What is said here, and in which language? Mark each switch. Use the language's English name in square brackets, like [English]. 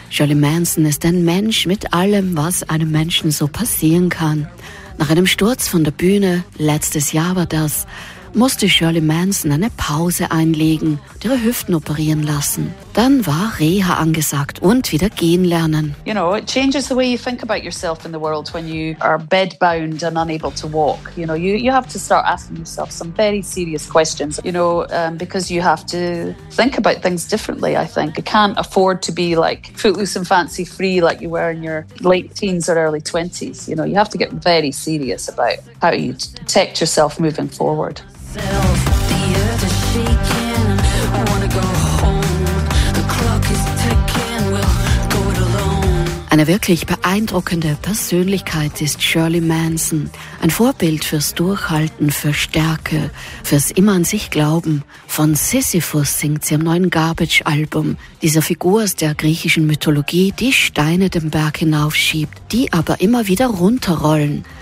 [German] Shirley Manson ist ein Mensch mit allem, was einem Menschen so passieren kann. Nach einem Sturz von der Bühne, letztes Jahr war das, musste Shirley Manson eine Pause einlegen und ihre Hüften operieren lassen. Dann war Reha angesagt und wieder gehen lernen. [English] You know, it changes the way you think about yourself in the world when you are bedbound and unable to walk. You know, you have to start asking yourself some very serious questions, you know, because you have to think about things differently, I think. You can't afford to be like footloose and fancy free like you were in your late teens or early 20s. You know, you have to get very serious about how you protect yourself moving forward. The earth is shaking, I wanna go home. The clock is ticking, we'll go it alone. [German] Eine wirklich beeindruckende Persönlichkeit ist Shirley Manson. Ein Vorbild fürs Durchhalten, für Stärke, fürs immer an sich glauben. Von Sisyphus singt sie im neuen Garbage-Album. Dieser Figur aus der griechischen Mythologie, die Steine den Berg hinaufschiebt, die aber immer wieder runterrollen.